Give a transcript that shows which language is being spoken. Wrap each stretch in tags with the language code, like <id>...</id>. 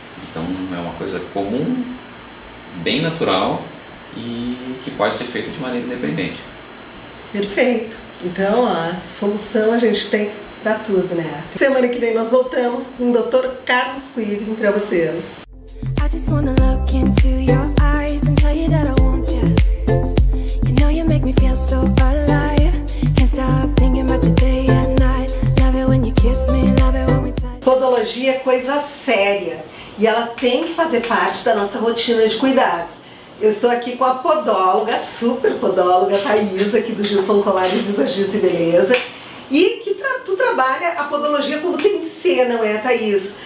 <pt>Então é uma coisa comum, bem natural e que pode ser feita de maneira independente. Perfeito. Então a solução a gente tem para tudo, né? Semana que vem nós voltamos com o Dr. Carlos Quirin para vocês.</pt> <en>I just wanna look into your eyes and tell you that I want you. You know you make me feel so alive. Can't stop thinking about you day and night. Love it when you kiss me, love it when we touch.</en> <pt>Podologia é coisa séria e ela tem que fazer parte da nossa rotina de cuidados. Eu estou aqui com a podóloga, super podóloga, Thaís, aqui do Gilson Colares, Visagista e Beleza. E que tu trabalha a podologia como tem que ser, não é, Thaís?</pt>